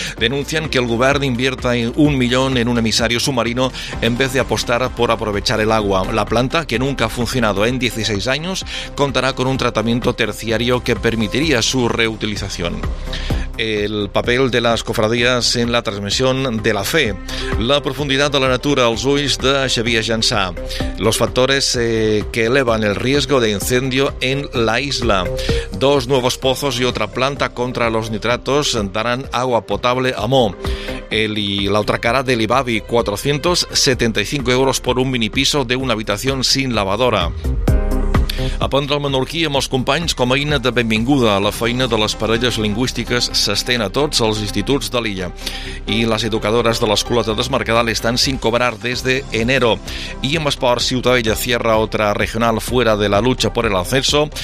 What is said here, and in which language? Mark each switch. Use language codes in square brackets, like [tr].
[es] Denuncian que el gobierno invierta 1 millón en un emisario submarino en vez de apostar por aprovechar el agua. La planta, que nunca ha funcionado en 16 años, contará con un tratamiento terciario que permitiría su reutilización. El papel de las cofradías en la transmisión de la fe. [ca] La profundidad de la natura, els ulls de Xavier Jansà. [es] Los factores que elevan el riesgo de incendio en la isla. 2 nuevos pozos y otra planta contra los nitratos darán agua potable a Mo. Y la otra cara del Ibavi, 475 euros por un mini piso de una habitación sin lavadora. [ca] Aprendre el menorquí amb els companys com a eina de benvinguda. La feina de les parelles lingüístiques s'estén a tots els instituts de l'illa. I les educadores de l'escola de Desmarcadal estan [es] sin cobrar [ca] des de enero. I en esport, [es] Ciutadella cierra otra regional fuera de la lucha por el ascenso.